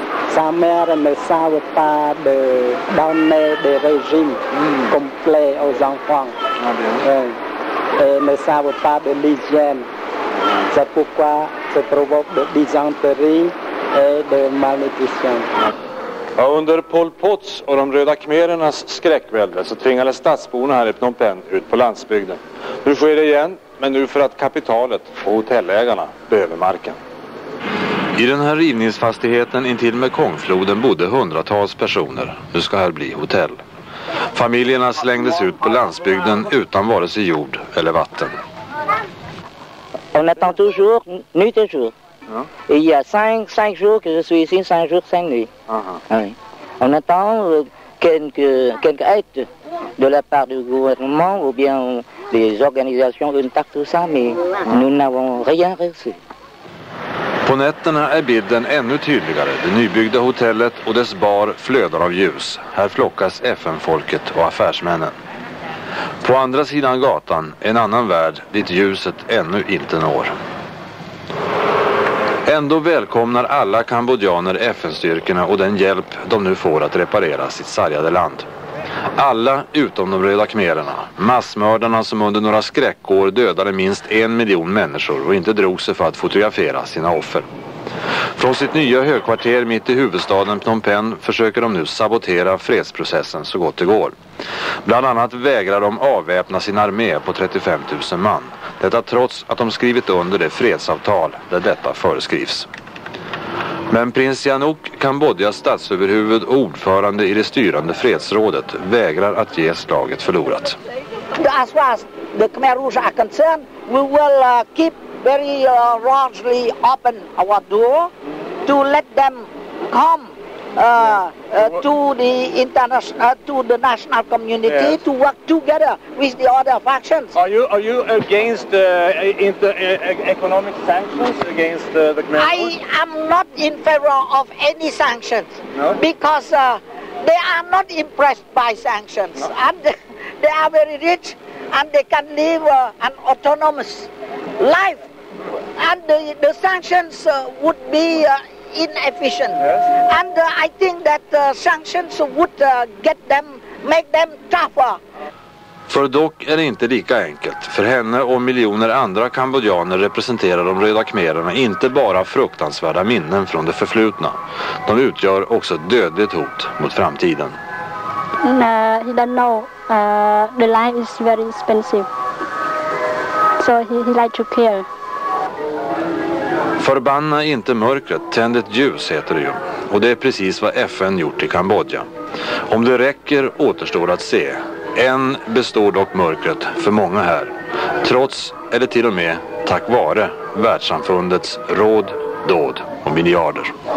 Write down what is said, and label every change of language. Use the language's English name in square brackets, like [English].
[English] Some are in the south part, the down there, the regime, [French] complete aux enfants. [English] In the south part, the hygiene. [French] C'est pourquoi ça provoque de dysenterie et de malnutrition. [Swedish] Ja, under Pol Pots och de röda khmerernas skräckvälde så tvingades stadsborna här i Phnom Penh ut på landsbygden. Nu sker det igen, men nu för att kapitalet och hotellägarna behöver marken. I den här rivningsfastigheten intill Mekongfloden bodde hundratals personer. Nu ska här bli hotell. Familjerna slängdes ut på landsbygden utan vare sig jord eller vatten. [French] On attend toujours, nuit et jour. Et il y a cinq jours que je suis ici, cinq jours, cinq nuits. Oui. On attend quelques aides de la part du gouvernement ou bien des organisations d'une part, tout ça, mais nous n'avons rien reçu. [Swedish] På nätterna är bilden ännu tydligare. Det nybyggda hotellet och dess bar flödar av ljus. Här flockas FN-folket och affärsmännen. På andra sidan gatan, en annan värld, dit ljuset ännu inte når. Ändå välkomnar alla kambodjaner FN-styrkorna och den hjälp de nu får att reparera sitt sargade land. Alla utom de röda khmererna, massmördarna som under några skräckår dödade minst 1 miljon människor och inte drog sig för att fotografera sina offer. Från sitt nya högkvarter mitt i huvudstaden Phnom Penh försöker de nu sabotera fredsprocessen så gott det går. Bland annat vägrar de avväpna sin armé på 35 000 man. Detta trots att de skrivit under det fredsavtal där detta föreskrivs. Men prins Sihanouk, Kambodjas statsöverhuvud och ordförande i det styrande fredsrådet, vägrar att ge slaget förlorat. [English] As far as the Khmer Rouge are concerned, we will keep very largely open our door to let them come to the international to the national community, yes, to work together with the other factions. Are you against economic sanctions against the Khmer Rouge? I am not in favor of any sanctions. No? Because they are not impressed by sanctions. No? And they are very rich and they can live an autonomous life. And the sanctions would be inefficient, yes. And I think that sanctions would get them, make them tougher. [Swedish] För dock är det inte lika enkelt. För henne och miljoner andra kambodjaner representerar de röda khmererna inte bara fruktansvärda minnen från det förflutna. De utgör också ett dödligt hot mot framtiden. [English] He don't know. The land is very expensive, so he like to care. [Swedish] Förbanna inte mörkret, tänd ett ljus, heter det ju. Och det är precis vad FN gjort i Kambodja. Om det räcker återstår att se. Än består dock mörkret för många här. Trots, eller till och med tack vare, världssamfundets råd, dåd och miljarder.